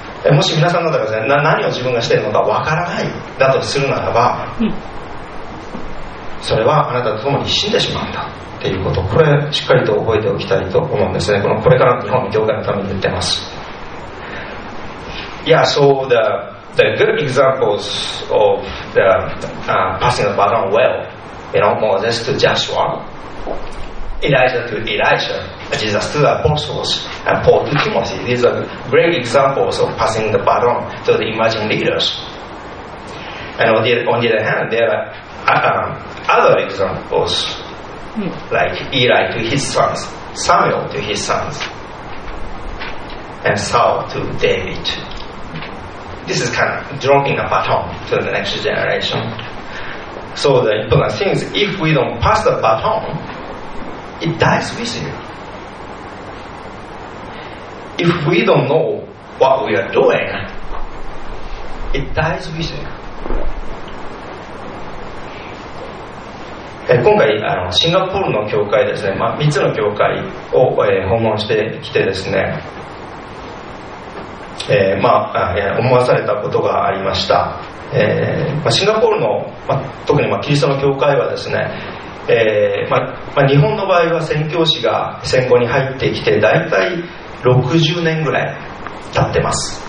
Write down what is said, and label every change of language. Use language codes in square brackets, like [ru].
[ja] もし皆さん方がですね、何を自分がしているのかわからないだとするならば、それはあなたと共に死んでしまうんだっていうこと、これしっかりと覚えておきたいと思うんですね。このこれからの日本の業界のために言ってます。 [en] Yeah, so the good examples of the、passing the baton well, you know, Moses to Joshua, Elijah to ElijahJesus to the apostles and Paul to Timothy. These are great examples of passing the baton to the emerging leaders. And on the other hand, there are other examples like Eli to his sons, Samuel to his sons, and Saul to David. This is kind of dropping a baton to the next generation. So the important thing is, if we don't pass the baton, it dies with you. If we don't know what we are doing, it dies with you. [ja] 今回あのシンガポールの教会ですね、まあ、3つの教会を、訪問してきてですね、まあ、思わされたことがありました、まあ、シンガポールの、まあ、特に、まあ、キリストの教会はですね、まあ、日本の場合は宣教師が戦後に入ってきてだいたい60年ぐらい経ってます。